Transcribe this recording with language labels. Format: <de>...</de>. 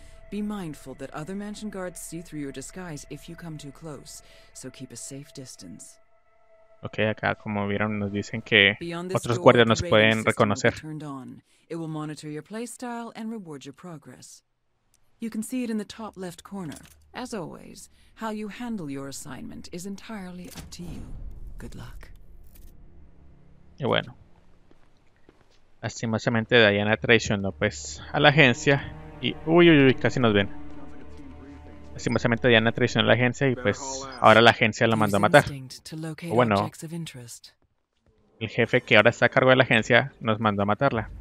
<en>Be mindful that other mansion guards see through your disguise if you come too close, so keep a safe distance.</en> <es>Okay, acá como vieron nos dicen que otros guardias nos pueden reconocer.</es> <en>It will monitor your playstyle and reward your progress. You can see it in the top left corner. As always, how you handle your assignment is entirely up to you. Good luck.</en> <es>Y bueno, lastimosamente Diana traicionó pues a la agencia y uy casi nos ven. Lastimosamente Diana traicionó a la agencia y pues ahora la agencia la mandó a matar. Bueno, el jefe que ahora está a cargo de la agencia nos mandó a matarla.</es>